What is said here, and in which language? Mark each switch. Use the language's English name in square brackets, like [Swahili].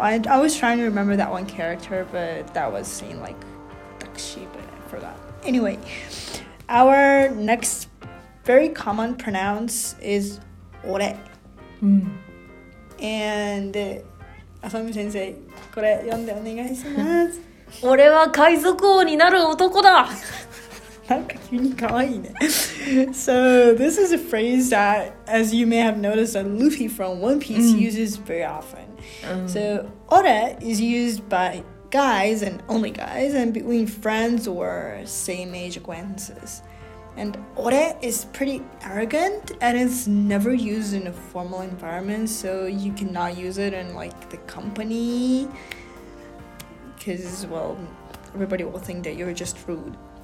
[English] I was trying to remember that one character, but that was seen like タクシー, but I forgot. Anyway, our next very common pronoun is 俺. And [Japanese] 浅見先生、これ読んでお願いします。俺は海賊王になる男だ。なんか急に可愛いね。 [English] So this is a phrase that, as you may have noticed, that Luffy from One Piece uses very often. So 俺 is used by guys and only guys and between friends or same age acquaintances. And 俺 is pretty arrogant and it's never used in a formal environment, so you cannot use it in like the company because, well, everybody will think that you're just rude.